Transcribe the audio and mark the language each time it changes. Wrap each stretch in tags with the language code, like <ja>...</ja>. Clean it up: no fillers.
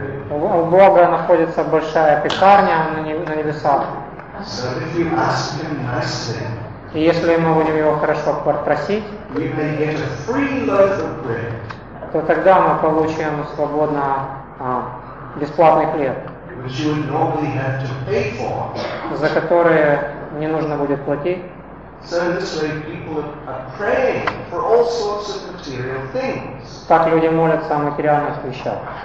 <ru>У Бога находится большая пекарня на небесах.</ru> <en>So if you ask him nicely,</en> <ru>и если мы будем его хорошо попросить,</ru> <en>you may get a free loaf of bread.</en> <ru>То тогда мы получим свободно бесплатный хлеб,</ru> <en>which you would normally have to pay for.</en> <ru>За который не нужно будет платить.</ru> <en>So in this way people are praying for all sorts of material things.</en> <ru>Так люди молятся о материальных вещах.</ru>